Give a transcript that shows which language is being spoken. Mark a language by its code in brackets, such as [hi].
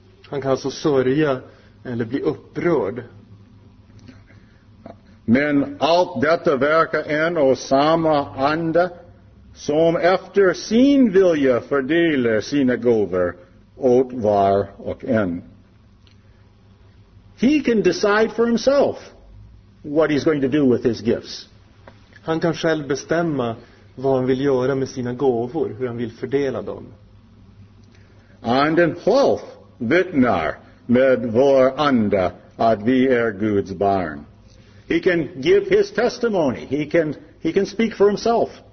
[sv] Han kan alltså sörja eller bli upprörd. Men allt detta verkar en och samma ande som efter sin vilja fördelar sina gåvor åt var och en. [en] He can decide for himself what he's going to do with his gifts. [sv] Han kan själv bestämma vad han vill göra med sina gåvor, hur han vill fördela dem. Anden själv vittnar med vår ande att vi är Guds barn. [en] He can give his testimony. He can speak for himself.